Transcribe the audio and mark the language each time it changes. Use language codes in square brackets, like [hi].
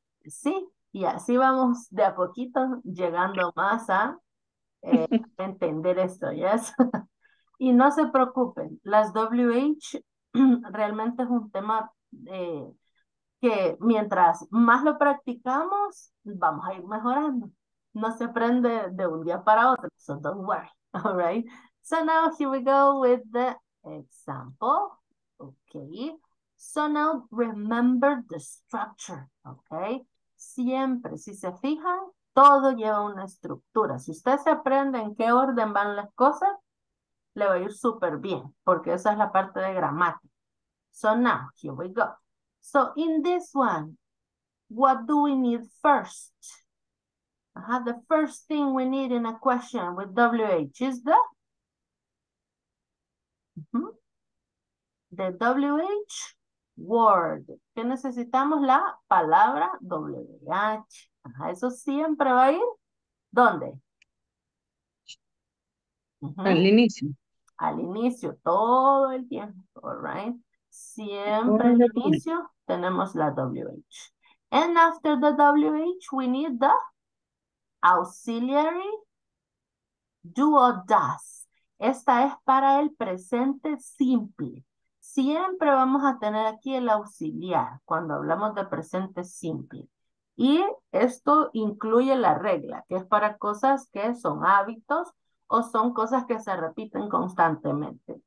[es] Sí, y así vamos de a poquito llegando más a entender esto, yes. Y no se preocupen, las WH realmente es un tema que mientras más lo practicamos, vamos a ir mejorando. No se aprende de un día para otro, [en] so don't worry, all right? So now here we go with the example, okay? So now, remember the structure, okay? [es] Siempre, si se fijan, todo lleva una estructura. Si usted se aprende en qué orden van las cosas, le va a ir súper bien, porque esa es la parte de gramática. [en] So now, here we go. So in this one, what do we need first? The first thing we need in a question with WH is the... The WH... Word. [es] ¿Qué necesitamos? La palabra WH. Eso siempre va a ir. ¿Dónde? Al inicio. Al inicio, todo el tiempo. [en] All right. [es] Siempre al inicio tenemos la WH. [en] And after the WH, we need the auxiliary do or does. [es] Esta es para el presente simple. Siempre vamos a tener aquí el auxiliar cuando hablamos de presente simple. Y esto incluye la regla, que es para cosas que son hábitos o son cosas que se repiten constantemente.